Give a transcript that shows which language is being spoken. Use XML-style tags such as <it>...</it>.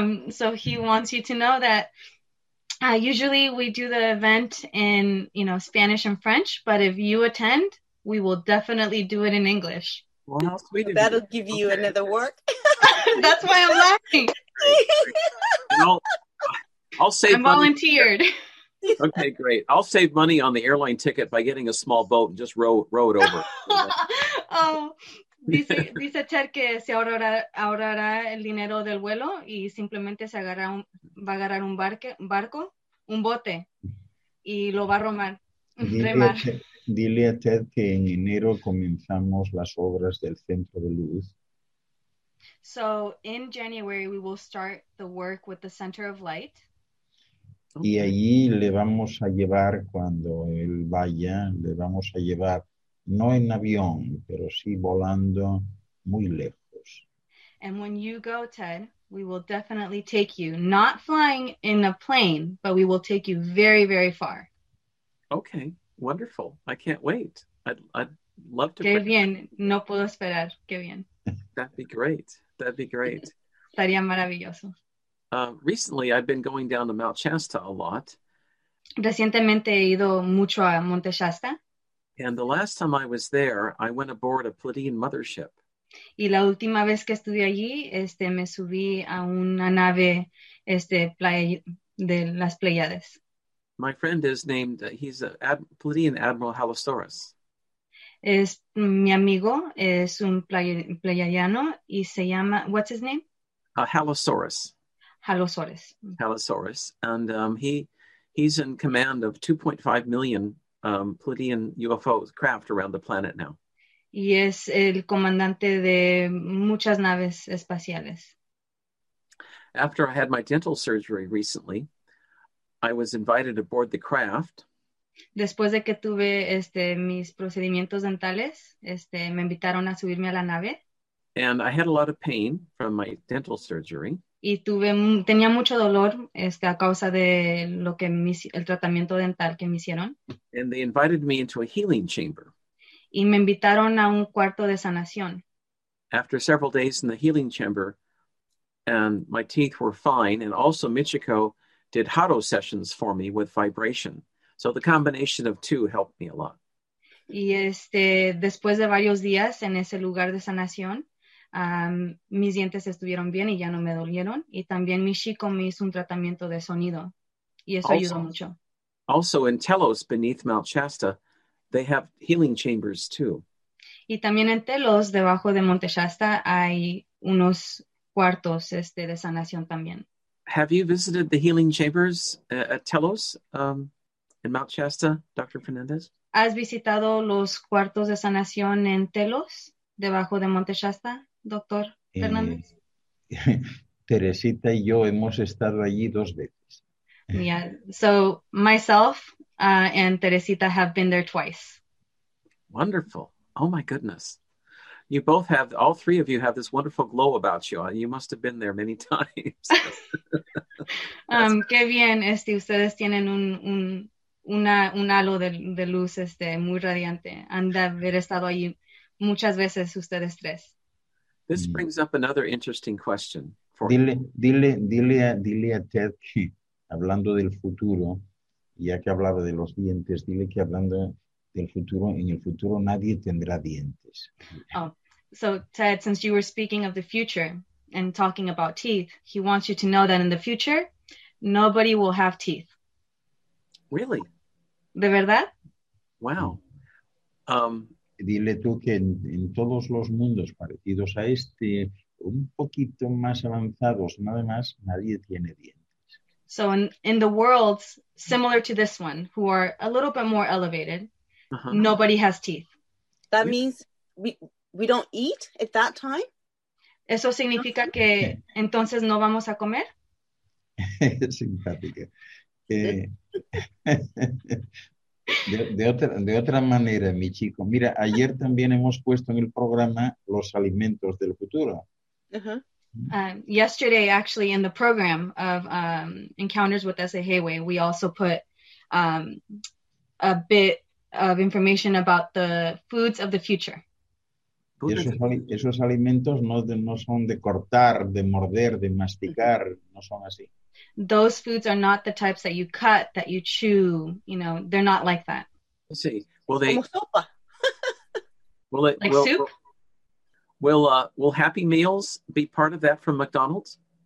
<en>So he wants you to know that usually we do the event in, Spanish and French, but if you attend, we will definitely do it in English. Well, how sweet of That'll you. give you Okay. another work. That's why I'm I'll save I'm money. volunteered. Okay, great. I'll save money on the airline ticket by getting a small boat and just row it Oh. over.</en> <es>Dice Ted que se ahorrará el dinero del vuelo y simplemente se agarra va a agarrar un barco, un bote, y lo va a romar, remar. Dile a Ted que en enero comenzamos las obras del centro de luz.</es> <en>So in January we will start the work with the Center of Light.</en> <es>Y allí le vamos a llevar cuando él vaya, le vamos a llevar, no en avión, pero sí volando muy lejos.</es> <en>And when you go, Ted, we will definitely take you, not flying in a plane, but we will take you very, very far. Okay, wonderful. I can't wait. I'd love to</en> <es>Qué</es> <en>participate.</en> <es>bien, no puedo esperar. Qué bien.</es> <en>That'd be great. That'd be great.</en> <es>Estaría maravilloso.</es> <en>Recently, I've been going down to Mount Shasta a lot.</en> <es>Recientemente he ido mucho a Monte Shasta.</es> <en>And the last time I was there, I went aboard a Pleiadian mothership.</en> <es>Y la última vez que estuve allí, me subí a una nave, playa de las Pleiades.</es> <en>My friend is named, he's a ad Pleiadian Admiral Halastoras.</en> <es>Es mi amigo, es un pleiadiano y se llama,</es> <en>what's his name? Halosaurus. Halosores. Halosaurus. And he's in command of 2.5 million Pleiadian UFO craft around the planet now.</en> <es>Y es el comandante de muchas naves espaciales.</es> <en>After I had my dental surgery recently, I was invited aboard the craft.</en> <es>Después de que tuve mis procedimientos dentales, me invitaron a subirme a la nave.</es> <en>And I had a lot of pain from my dental surgery.</en> <es>Y tuve, tenía mucho dolor, a causa de lo que el tratamiento dental que me hicieron.</es> <en>And they invited me into a healing chamber.</en> <es>Y me invitaron a un cuarto de sanación.</es> <en>After several days in the healing chamber, and my teeth were fine, and also Michiko did hotto sessions for me with vibration. So the combination of two helped me a lot.</en> <es>Y después de varios días en ese lugar de sanación, mis dientes estuvieron bien y ya no me dolieron. Y también mi chico me hizo un tratamiento de sonido y eso ayudó mucho.</es> <en>Also in Telos beneath Mount Shasta, they have healing chambers too.</en> <es>Y también en Telos, debajo de Monte Shasta, hay unos cuartos de sanación también.</es> <en>Have you visited the healing chambers at Telos, in Mount Shasta, Dr. Fernandez?</en> <es>¿Has visitado los cuartos de sanación en Telos, debajo de Monte Shasta, doctor Fernández? Teresita y yo hemos estado allí dos veces.</es> <en>Yeah, so myself and Teresita have been there twice. Wonderful. Oh my goodness. You both have, all three of you have this wonderful glow about you. You must have been there many times. That's</en> <es>Qué bien, ustedes tienen un halo de luz muy radiante. Han de haber estado allí muchas veces ustedes tres.</es> <en>This brings up another interesting question for you.</en> <es>Dile a Ted que hablando del futuro, ya que hablaba de los dientes, dile que hablando del futuro, en el futuro nadie tendrá dientes.</es> <en>Oh, so Ted, since you were speaking of the future and talking about teeth, he wants you to know that in the future, nobody will have teeth. Really?</en> <es>¿De verdad?</es> <en>Wow.</en> <es>Dile tú que en todos los mundos parecidos a este, un poquito más avanzados, nada más, nadie tiene dientes.</es> <en>So in the worlds similar to this one, who are a little bit more elevated, nobody has teeth. That means we don't eat at that time?</en> <es>¿Eso significa que entonces no vamos a comer? Es simpática. De otra manera, mi chico, mira, ayer también hemos puesto en el programa los alimentos del futuro.</es> <en>Yesterday, actually, in the program of Encounters with S.A. Heywe, we also put a bit of information about the foods of the future.</en> <es>Esos alimentos no son de cortar, de morder, de masticar, no son así.</es> <en>Those foods are not the types that you cut, that you chew, they're not like that. See, will they?</en> <es>Como sopa.</es> <en>Will it? Like Will soup? Happy Meals be part of that from McDonald's?</en>